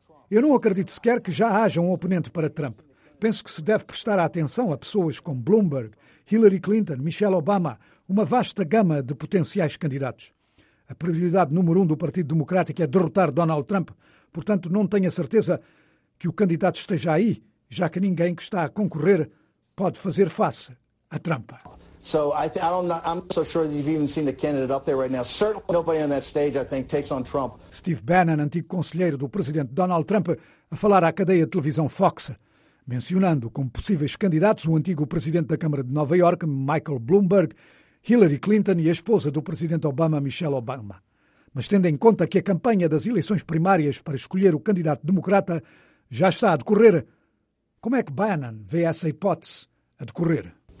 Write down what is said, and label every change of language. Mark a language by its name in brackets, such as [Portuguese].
[Portuguese] Eu não acredito sequer que já haja um oponente para Trump. Penso que se deve prestar atenção a pessoas como Bloomberg, Hillary Clinton, Michelle Obama, uma vasta gama de potenciais candidatos. A prioridade número 1 do Partido Democrático é derrotar Donald Trump. Portanto, não tenho a certeza que o candidato esteja aí, já que ninguém que está a concorrer pode fazer face à trampa. [English] So I'm not so sure that you've even seen the candidate up there right now. Certainly nobody on that stage, I think, takes on Trump. [Portuguese] Steve Bannon, antigo conselheiro do presidente Donald Trump, a falar à cadeia de televisão Fox, mencionando como possíveis candidatos o antigo presidente da Câmara de Nova Iorque, Michael Bloomberg, Hillary Clinton e a esposa do presidente Obama, Michelle Obama. Mas tendo em conta que a campanha das eleições primárias para escolher o candidato democrata já está a decorrer, como é que Bannon vê essa hipótese a decorrer?